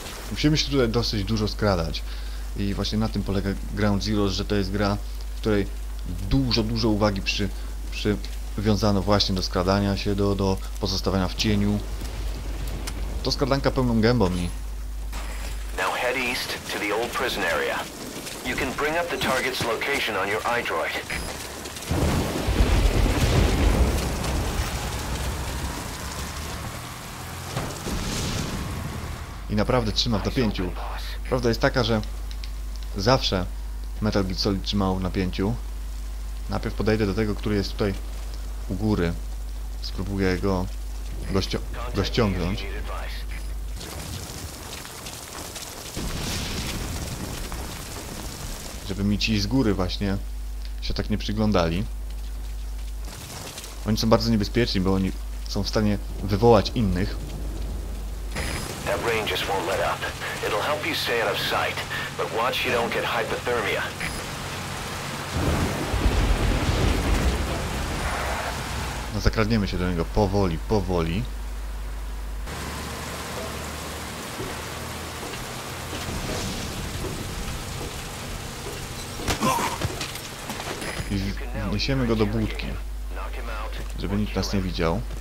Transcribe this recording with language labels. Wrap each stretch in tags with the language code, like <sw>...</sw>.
<pl>Musimy się tutaj dosyć dużo skradać. I właśnie na tym polega Ground Zero, że to jest gra, w której dużo uwagi przywiązano właśnie do skradania się, do pozostawania w cieniu. To skradanka pełną gębą mi.</pl> <en>Now head east to the old prison area. You can bring up the target's location on your iDroid.</en> <pl>I naprawdę trzyma w napięciu. Prawda jest taka, że zawsze Metal Gear Solid trzymał w napięciu. Najpierw podejdę do tego, który jest tutaj u góry. Spróbuję go dościągnąć. Żeby mi ci z góry właśnie się tak nie przyglądali. Oni są bardzo niebezpieczni, bo oni są w stanie wywołać innych.</pl> <en>That rain just won't let up. It'll help you stay out of sight, but watch you don't get hypothermia.</en> <pl>No, zakradniemy się do niego powoli, powoli. I wniesiemy go do budki, żeby nikt nas nie widział.</pl>